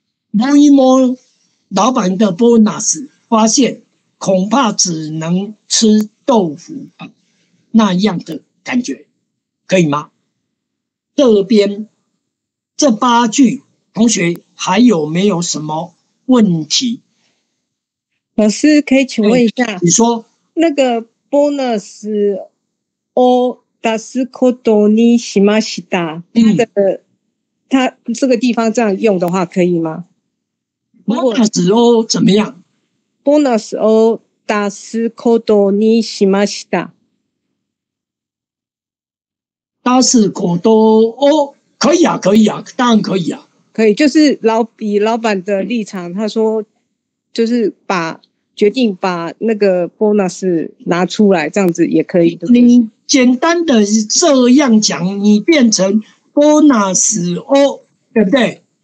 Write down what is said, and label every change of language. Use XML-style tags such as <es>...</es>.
<zh>摸一摸老板的 bonus 发现恐怕只能吃豆腐吧，那样的感觉可以吗？这边这八句同学还有没有什么问题？老师可以请问一下，你说那个 bonus</zh> <ja>を出すことにしました，</ja> <zh>他这个地方这样用的话可以吗？ bonus を怎么样？</zh> <ja>bonus を出すことにしました，出すことを，</ja> <zh>可以啊，可以啊，当然可以啊。可以，就是以老板的立场，他说就是把决定把那个 bonus 拿出来，这样子也可以，对不对？你简单的这样讲，你变成 bonus o， 对不对？</zh>